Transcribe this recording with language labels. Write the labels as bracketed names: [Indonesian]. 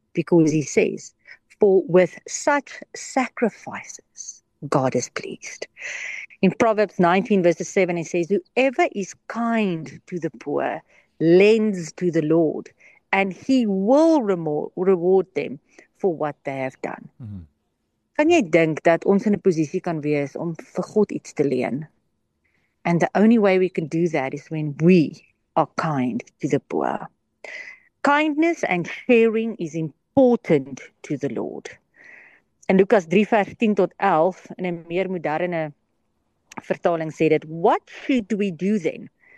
[English] Because he says, for with such sacrifices, God is pleased. In Proverbs 19, verses 7, it says, whoever is kind to the poor lends to the Lord, and he will reward them for what they have done. [Afrikaans] Kan jy dink dat ons in 'n posisie kan wees om vir God iets te leen? [English] And the only way we can do that is when we are kind to the poor. Kindness and sharing is important to the Lord. [Afrikaans] And Lucas 3 vers 10 tot 11 in 'n meer moderne vertaling sê dit, [English] what should we do then?